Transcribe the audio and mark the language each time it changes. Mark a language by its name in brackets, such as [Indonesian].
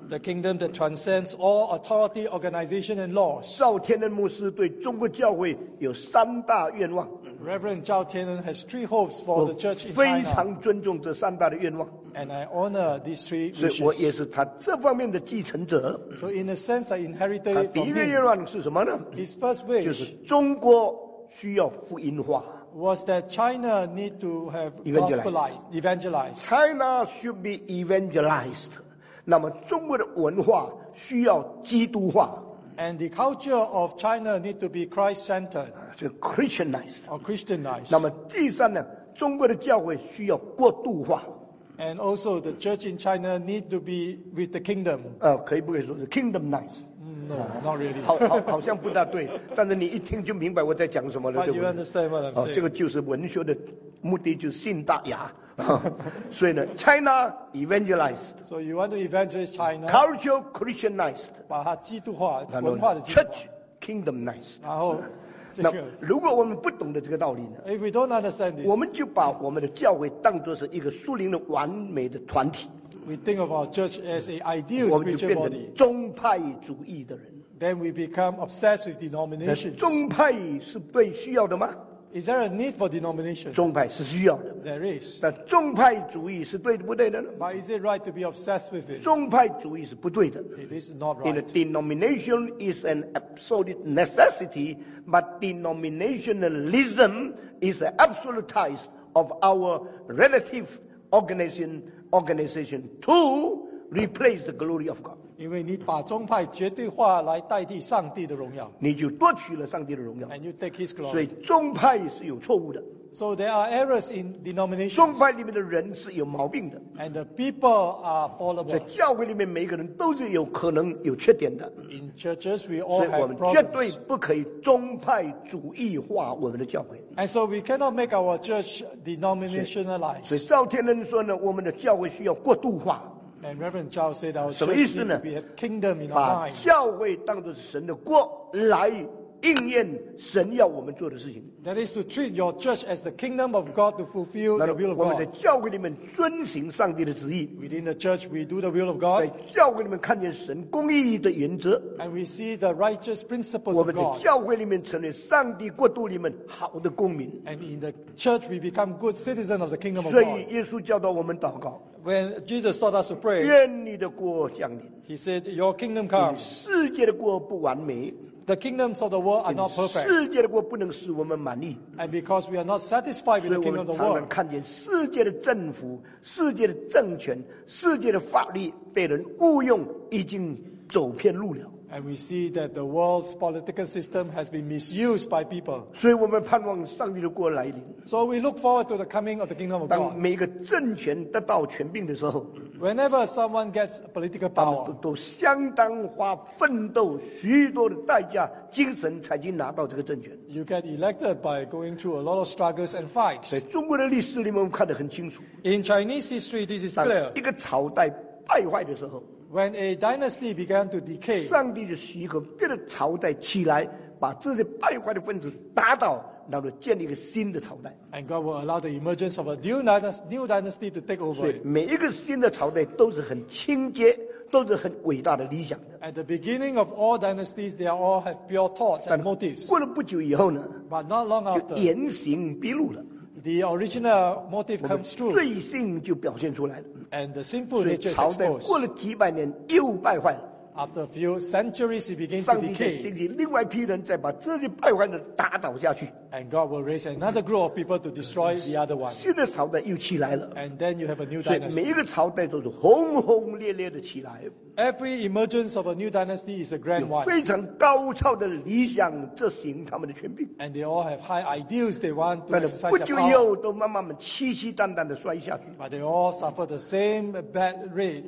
[English] The kingdom that transcends all authority, organization, and laws. [Chinese] 赵天恩牧师对中国教会有三大愿望。 [English] Reverend 赵天恩 has three hopes for the church in China. [Chinese] 非常尊重这三大的愿望。 [English] And I honor these three wishes. [Chinese] 所以我也是他这方面的继承者。 [English] So in a sense, I inherited from him. [Chinese] 他第一个愿望是什么呢？ [English] His first wish [Chinese] 就是中国需要福音化。 [English] was that China need to have evangelized. China should be evangelized. [Chinese] 那么中国的文化需要基督化。 [English] And the culture of China need to be Christ-centered. [Chinese] 就 Christianized. [English] Or Christianized. [Chinese] 那么第三呢，中国的教会需要过渡化。 [English] And also the church in China need to be with the kingdom. [Chinese] 可以不可以说是 kingdomized? [English] No, not really. [Chinese] 好像不大对，但是你一听就明白我在讲什么了，对不对？ [English] You understand what I'm saying. [Chinese] 这个就是文学的目的，就是信大牙。所以呢 [English] ，China evangelized. So you want to evangelize China? Culture Christianized. [Chinese] 把它基督化，文化的基督化。 [English] Church kingdomized. [Chinese] 然后，那如果我们不懂得这个道理呢 [English] ？If we don't understand this, [Chinese] 我们就把我们的教会当作是一个属灵的完美的团体。 [English] We think of our church as an ideal spiritual body. [Chinese] 宗派主义的人。 [English] Then we become obsessed with denominations. [Chinese] 宗派是被需要的吗 [English] ？Is there a need for denomination? [Chinese] 宗派是需要的。 [English] There is. [Chinese] 但宗派主义是对不对的呢 [English] ？But is it right to be obsessed with it? [Chinese] 宗派主义是不对的。 [English] It is not right. In a denomination is an absolute necessity, but denominationalism is an absolutize of our relative organization. Organization to replace the glory of God. [Chinese] 因为你把宗派绝对化来代替上帝的荣耀，你就夺取了上帝的荣耀。 [English] And you take His glory. [Chinese] 所以宗派是有错误的。 [English] So there are errors in denomination. [Chinese] 宗派里面的人是有毛病的。 [English] And the people are fallible. [Chinese] 在教会里面，每个人都是有可能有缺点的。 [English] In churches, we all have problems. [Chinese] 所以我们绝对不可以宗派主义化我们的教会。 [English] And so we cannot make our church denominationalized. [Chinese] 所以赵天恩说呢，我们的教会需要过渡化。 [English] And Reverend Zhao said our church need to be a kingdom in our [Chinese] mind. 把教会当作是神的国来。应验神要我们做的事情。 [English] That is to treat your church as the kingdom of God to fulfill the will of God. [Chinese] 我们在教会里面遵行上帝的旨意。 [English] Within the church, we do the will of God. [Chinese] 在教会里面看见神公义的原则。 [English] And we see the righteous principles of God. [Chinese] 我们在教会里面成为上帝国度里面好的公民。 [English] And in the church, we become good citizens of the kingdom of God. [Chinese] 所以耶稣教导我们祷告。 [English] When Jesus taught us to pray, [Chinese] 愿你的国降临。 [English] He said, "Your kingdom come." [Chinese] 世界的国不完美。 [English] The kingdoms of the world are not perfect. [Chinese] 世界的国不能使我们满意。 [English] And because we are not satisfied with the kingdom of the world. [Chinese] 所以我们常常看见世界的政府、世界的政权、世界的法律被人误用，已经走偏路了。 [English] And we see that the world's political system has been misused by people. [Chinese] 所以我们盼望上帝的国来临。 [English] So we look forward to the coming of the kingdom of God. [Chinese] 当每个政权得到权柄的时候 [English] ，Whenever someone gets political power, [Chinese] 都相当花奋斗许多的代价、精神才去拿到这个政权。 [English] You get elected by going through a lot of struggles and fights. [Chinese] 在中国的历史里面，我们看得很清楚。 [English] In Chinese history, this is clear. [Chinese] 一个朝代败坏的时候。 [English] When a dynasty began to decay, [Chinese] 上帝就许可别的朝代起来，把这些败坏的分子打倒，然后建立一个新的朝代。 [English] And God will allow the emergence of a new dynasty to take over. [Chinese] 所以每一个新的朝代都是很清洁，都是很伟大的理想的。 [English] At the beginning of all dynasties, they all have pure thoughts and motives. [Chinese] 过了不久以后呢 [English] ？But not long after, [Chinese] 就原形毕露了。 [English] The original motive comes true. [Chinese] 罪性就表现出来了。 [English] And the sinful nature is exposed. [Chinese] 所以朝代过了几百年又败坏了。 [English] After a few centuries, it begins to decay. [Chinese] 上帝就兴起另外一批人，再把这些败坏的打倒下去。 [English] And God will raise another group of people to destroy the other one. [Chinese] 新的朝代又起来了。 [English] And then you have a new dynasty. [Chinese] 所以每一个朝代都是轰轰烈烈的起来。 [English] Every emergence of a new dynasty is a grand one. [Chinese] 非常高超的理想执行他们的权柄。 [English] And they all have high ideals they want to exercise their power. [Chinese] 不久以后都慢慢凄凄淡淡的摔下去。 [English] But they all suffer the same bad rate.